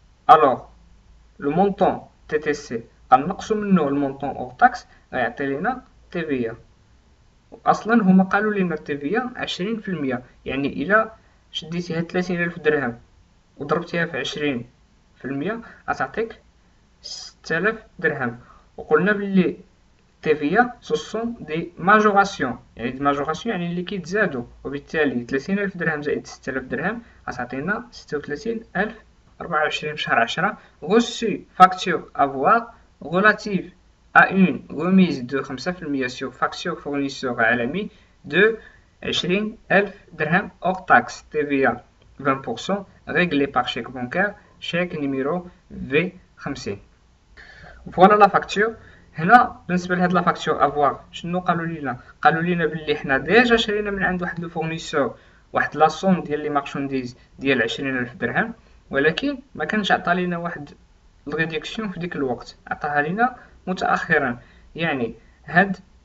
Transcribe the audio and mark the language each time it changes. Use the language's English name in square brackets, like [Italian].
[Arabic] الوغ لو مونطون تي تي سي غنقصو منو المونطون اوغ تاكس غيعطي لينا تي في ا، اصلا هما قالوا لي مرتبية 20%، يعني الى شديتي هاد 30000 درهم وضربتيها في 20% غتعطيك 6000 درهم، وقلنا بلي تي في سو سون دي ماجوراسيون، يعني دي ماجوراسيون يعني اللي كيتزادو، وبالتالي 30000 درهم زائد 6000 درهم غتعطينا 36000. 24 في شهر 10 [French] غوسي فاكتور افوار غولاتيف à une remise de 5% sur facture fournisseur à l'ami de 20000 dirhams hors taxe TVA 20% réglé par chèque bancaire, chèque numéro V50. Voilà la facture. [Arabic] هنا بالنسبه لهاد لا فاكتور افوار شنو قالوا لينا؟ قالوا لينا باللي حنا ديجا شرينا من عند واحد لو فورنيسور واحد لا سوم ديال لي مارشانديز ديال 20000 درهم، ولكن ما كانش عطى لينا واحد الريديكسيون في ديك الوقت، عطاها لينا متأخرا، يعني هاد